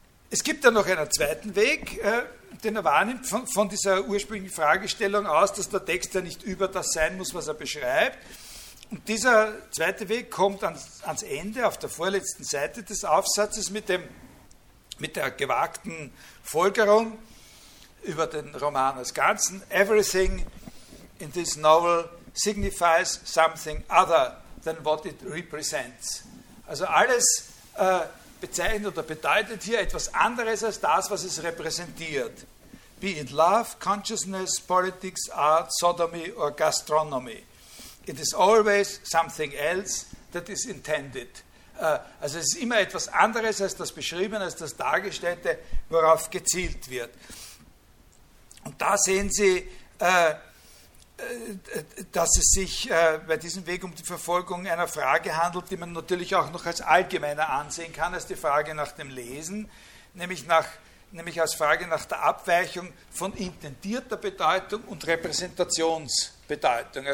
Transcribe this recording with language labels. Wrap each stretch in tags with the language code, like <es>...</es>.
<de>Es gibt dann noch einen zweiten Weg, den er wahrnimmt von dieser ursprünglichen Fragestellung aus, dass der Text ja nicht über das sein muss, was er beschreibt. Und dieser zweite Weg kommt ans Ende, auf der vorletzten Seite des Aufsatzes mit der gewagten Folgerung über den Roman als Ganzen.</de> <en>Everything in this novel signifies something other than what it represents.</en> <de>Also alles bezeichnet oder bedeutet hier etwas anderes als das, was es repräsentiert.</de> <en>Be it love, consciousness, politics, art, sodomy or gastronomy. It is always something else that is intended.</en> <de>Also es ist immer etwas anderes als das Beschriebene, als das Dargestellte, worauf gezielt wird. Und da sehen Sie, dass es sich bei diesem Weg um die Verfolgung einer Frage handelt, die man natürlich auch noch als allgemeiner ansehen kann, als die Frage nach dem Lesen, nämlich als Frage nach der Abweichung von intendierter Bedeutung und Repräsentationsbedeutung.</de>